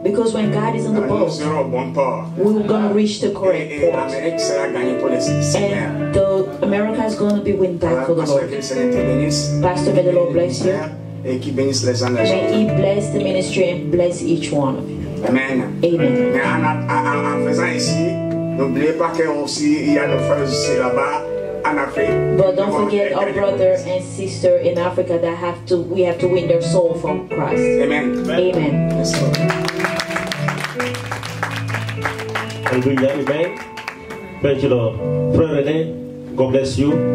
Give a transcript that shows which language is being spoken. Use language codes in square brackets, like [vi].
[en] Because when God is in the boat, we're going to reach the correct point. And the America is going to be winning back for the Lord. Pastor, may the Lord bless you. May he bless the ministry and bless each one of you. Amen. Amen. [fr] En faisant ici, n'oubliez pas que aussi il y a nos frères ici là-bas en Afrique. [en] But don't forget our brother and sister in Africa that we have to win their soul from Christ. Amen. Amen. Hallelujah. Amen. Thank you, Lord. Frère René, God bless you.